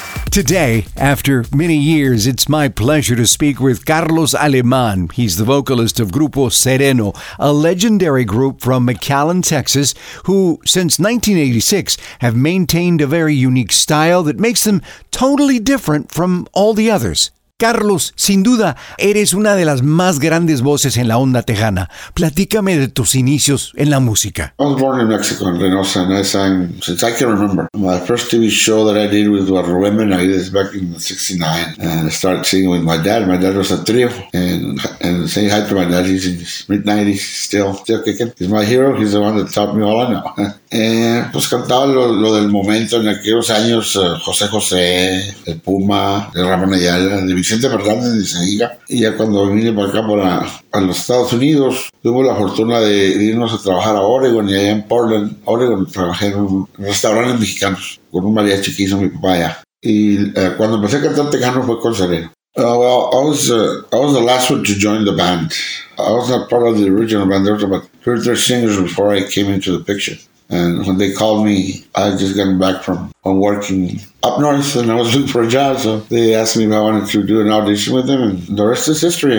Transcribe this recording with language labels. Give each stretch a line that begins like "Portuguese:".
English: Today, after many years, it's my pleasure to speak with Carlos Alemán. He's the vocalist of Grupo Sereno, a legendary group from McAllen, Texas, who, since 1986, have maintained a very unique style that makes them totally different from all the others.
Spanish: Carlos, sin duda, eres una de las más grandes voces en la onda tejana. Platícame de tus inicios en la música.
English: I was born in Mexico, in Reynosa, and I sang since I can remember. My first TV show that I did was with Guadalupe Benavides back in 69. And I started singing with my dad. My dad was a trio. And saying hi to my dad, he's in his mid-90s, still kicking. He's my hero. He's the one that taught me all I know.
Spanish: Pues cantaba lo del momento en aquellos años, José José, el Puma, el Ramón Ayala, de Vicente Fernández de Zahiga. Y ya cuando vine para acá, para los Estados Unidos, tuve la fortuna de irnos a trabajar a Oregon, y allá en Portland, Oregon, trabajé en un restaurante mexicano con un mariachi que hizo mi papá allá. Y cuando empecé a cantar tejano fue con Sereno.
English: I was the last one to join the band. I was not part of the original band. There was about 3 singers before I came into the picture. And when they called me, I had just gotten back from working up north, and I was looking for a job. So they asked me if I wanted to do an audition with them, and the rest is history.